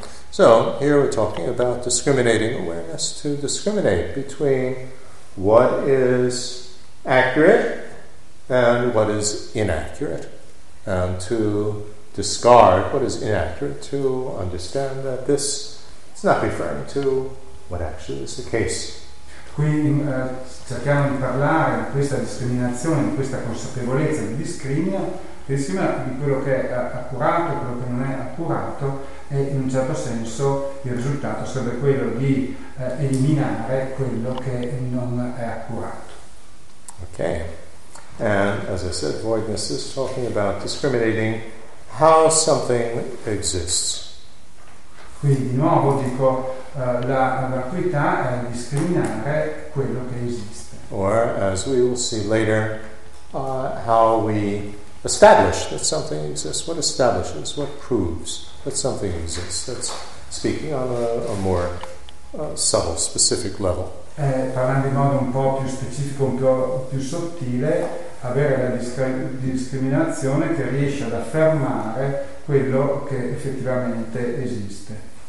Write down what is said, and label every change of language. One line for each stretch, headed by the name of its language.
English: So, here we're talking about discriminating awareness, to discriminate between what is accurate and what is inaccurate, and to discard what is inaccurate, to understand that this is not referring to what actually is the case.
Italian: Quindi cerchiamo di parlare di questa discriminazione, di questa consapevolezza di discrimina, insieme di quello che è accurato e quello che non è accurato, e in un certo senso il risultato sarebbe quello di eliminare quello che non è accurato. Ok.
English: And as I said, voidness is talking about discriminating how something exists.
Italian: Quindi, di nuovo dico, la vacuità è discriminare quello che esiste.
English: Or, as we will see later, how we establish that something exists. What establishes, what proves that something exists. That's speaking on a more subtle, specific level.
Italian: Parlando in modo un po' più specifico, un po' più sottile, avere la discriminazione che riesce ad affermare quello che effettivamente esiste.